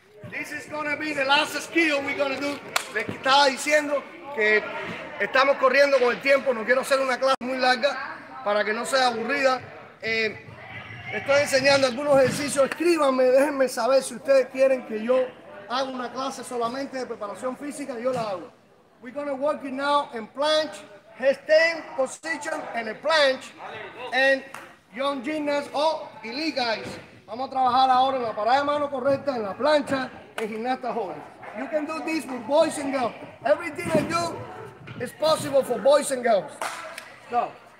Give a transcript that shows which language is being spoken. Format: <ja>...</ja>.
<en>This is gonna be the last skill we're gonna do.</en> <es>Les estaba diciendo que estamos corriendo con el tiempo. No quiero hacer una clase muy larga para que no sea aburrida. Estoy enseñando algunos ejercicios. Escríbanme, déjenme saber si ustedes quieren que yo haga una clase solamente de preparación física, yo la hago.</es> <en>We're gonna work it now in planche, headstand position and a planche, and young gymnast or elite guys.</en> <es>Vamos a trabajar ahora en la parada de mano correcta, en la plancha, en gimnasta joven.</es> <en>You can do this with boys and girls. Everything I do is possible for boys and girls. So,</en>